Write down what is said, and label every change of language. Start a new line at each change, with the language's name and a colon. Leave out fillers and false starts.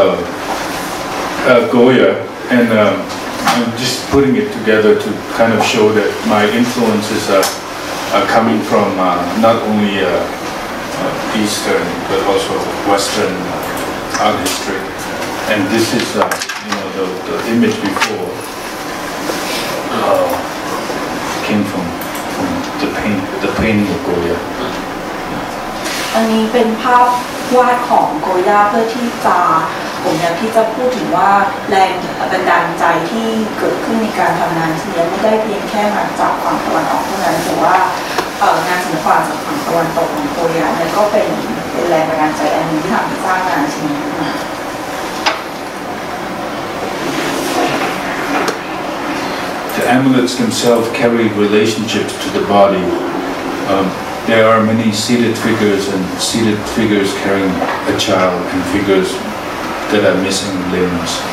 English: This is a Goya, and I'm just putting it together to kind of show that my influences are coming from not only Eastern but also Western art history. And this is the image before came from the painting of Goya.
Thai: อันนี้เป็นภาพวาดของโกย่าเพื่อที่จะผมอยากที่จะพูดถึงว่าแรงบันดาลใจที่เกิดขึ้นในการทำงานเนี่ยไม่ได้เพียงแค่มาจากฝั่งตะวันออกเท่านั้นแต่ว่างานศิลปะจากฝั่งตะวันตกของโกย่าเนี่ยก็เป็นแรงบันดาลใจอันนี้ที่ทำให้สร้างงานชิ้นนี้ขึ้นมา
English: The amulets themselves carry relationships to the body. There are many seated figures and seated figures carrying a child and figures that are missing limbs.